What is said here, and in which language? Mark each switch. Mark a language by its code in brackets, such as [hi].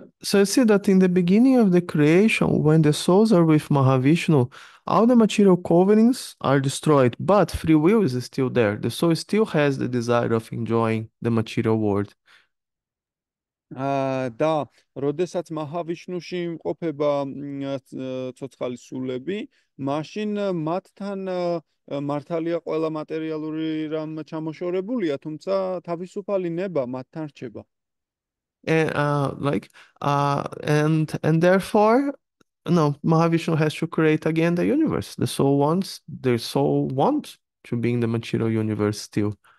[en] So see that in the beginning of the creation, when the souls are with Mahavishnu, all the material coverings are destroyed, but free will is still there. The soul still has the desire of enjoying the material world. [ka] და როდესაც მაჰავიშნუში იმყოფება ცოცხალი სულები, მაშინ მათთან მართალია ყველა მატერიალური რამ ჩამოშორებულია, თუმცა თავისუფალი ნება მათთან რჩება. [en] And therefore, no, Mahavishnu has to create again the universe. The soul wants, their soul wants to be in the material universe still.